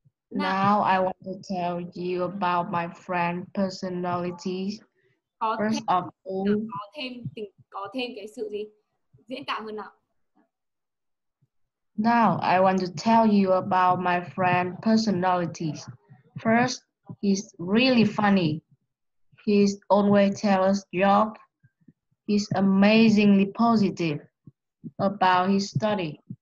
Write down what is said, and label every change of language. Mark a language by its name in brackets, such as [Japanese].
[English] Now I want to tell you about my friend personality. First of all, [Vietnamese] có thêm cái sự gì diễn cảm hơn nào. [English] Now I want to tell you about my friend personality. First, he's really funny. He's always tell us joke. He's amazingly positive about his study.